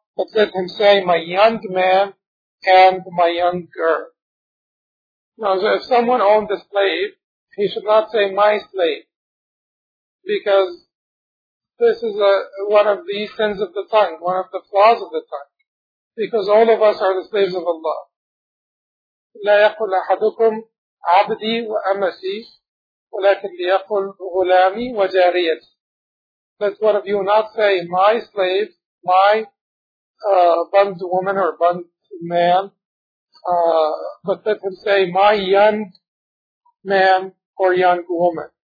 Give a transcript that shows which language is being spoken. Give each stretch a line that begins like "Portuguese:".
English: But let him say, my young man and my young girl. Now, so if someone owned a slave, he should not say, my slave. Because this is one of the sins of the tongue, one of the flaws of the tongue. Because all of us are the slaves of Allah.
Arabic: لا يقول أحدكم عبدي وأمسي ولكن ليقول غلامي وجاريتي.
English: Let one of you not say, my slave, my bond woman or bond man, but let him say, my young man or young woman.